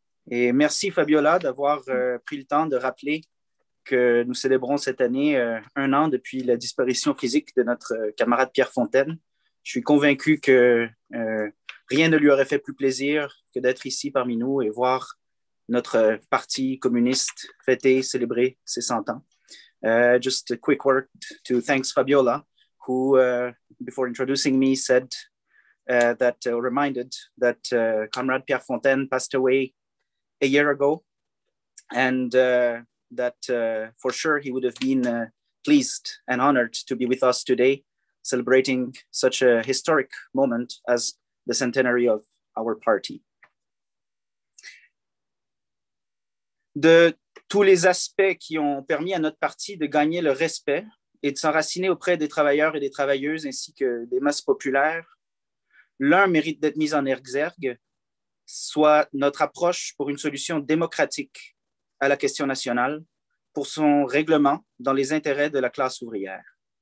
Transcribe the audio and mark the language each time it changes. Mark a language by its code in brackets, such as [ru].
[fr] Et merci Fabiola d'avoir pris le temps de rappeler que nous célébrons cette année un an depuis la disparition physique de notre camarade Pierre Fontaine. Je suis convaincu que rien ne lui aurait fait plus plaisir que d'être ici parmi nous et voir notre parti communiste fêter, célébrer ses 100 ans. [en] Just a quick word to thanks Fabiola, who, before introducing me, said that reminded that comrade Pierre Fontaine passed away a year ago, and that for sure he would have been pleased and honored to be with us today, celebrating such a historic moment as the centenary of our party. [fr] De tous les aspects qui ont permis à notre parti de gagner le respect et de s'enraciner auprès des travailleurs et des travailleuses ainsi que des masses populaires, l'un mérite d'être mis en exergue, soit notre approche pour une solution démocratique à la question nationale, pour son règlement dans les intérêts de la classe ouvrière.